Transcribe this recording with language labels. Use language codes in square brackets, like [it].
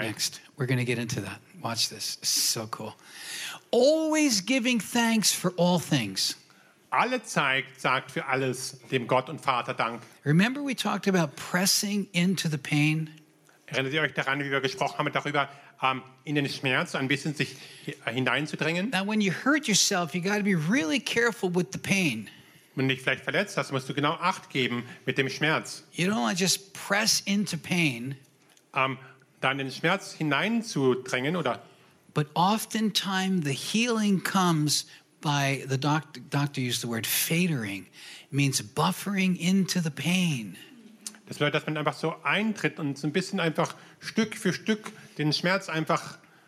[en] Next, we're going to get into that. Watch this. So cool. Always giving thanks for all things. [de] Alle Zeit sagt für alles dem Gott und Vater Dank. [en] Remember we talked about pressing into the pain? [de] Erinnert ihr euch daran, wie wir gesprochen haben darüber, in den Schmerz ein bisschen sich hineinzudrängen? [en] Now when you hurt yourself, you got to be really careful with the pain. [de] Wenn du dich vielleicht verletzt hast, musst du genau Acht geben mit dem Schmerz. [en] You don't want to just press into pain, [de] dann in den Schmerz hineinzudrängen, oder? [en] But oftentimes the healing comes by the doctor used the word fadering. It means buffering into the pain. [de] Das bedeutet, dass man einfach so eintritt und so ein bisschen einfach Stück für Stück den Schmerz einfach